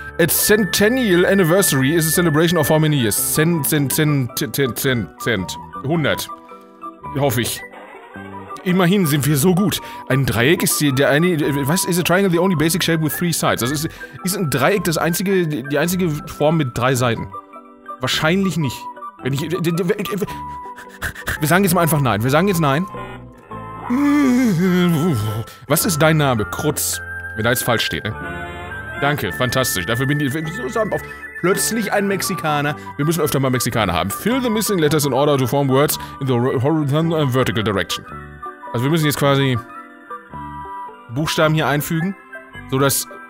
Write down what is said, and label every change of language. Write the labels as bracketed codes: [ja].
[en] A centennial anniversary is a celebration of how many years? [de] 100. Hoffe ich. Immerhin sind wir so gut. Ein Dreieck ist der eine... Was? [en] Is a triangle the only basic shape with 3 sides? [de] Also ist ein Dreieck das einzige, die einzige Form mit 3 Seiten? Wahrscheinlich nicht. Wenn ich... Wir sagen jetzt mal einfach nein. Was ist dein Name? Krutz. Wenn da jetzt falsch steht, ne? Danke, fantastisch. Dafür bin ich zusammen auf plötzlich ein Mexikaner. Wir müssen öfter mal Mexikaner haben. [en] Fill the missing letters in order to form words in the horizontal and vertical direction. [de] Also wir müssen jetzt quasi Buchstaben hier einfügen, sodass